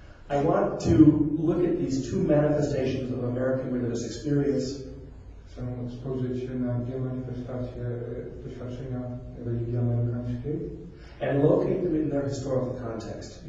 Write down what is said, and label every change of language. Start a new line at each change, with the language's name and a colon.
English: I want to look at these two manifestations of American religious experience.
Polish: Chcę spojrzeć się na dwie manifestacje doświadczenia religii amerykańskiej.
English: And locate them in their historical context.